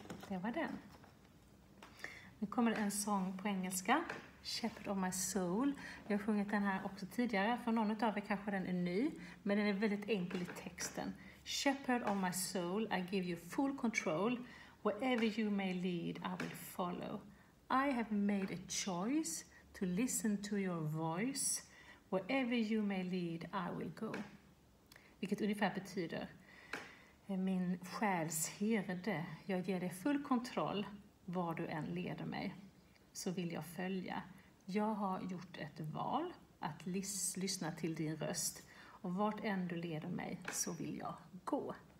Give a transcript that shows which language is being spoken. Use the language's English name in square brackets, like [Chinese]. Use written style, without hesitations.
[Swedish] öva den. Nu kommer det en sång på engelska. [English] Shepherd of my soul. [Swedish] Jag har sjungit den här också tidigare. För någon av er kanske den är ny. Men den är väldigt enkel i texten. [English] Shepherd of my soul, I give you full control. Wherever you may lead, I will follow. I have made a choice to listen to your voice. Wherever you may lead, I will go. [Swedish] Vilket ungefär betyder, min själs herde, jag ger dig full kontroll var du än leder mig. Så vill jag följa. Jag har gjort ett val att lyssna till din röst. Och vart än du leder mig så vill jag gå.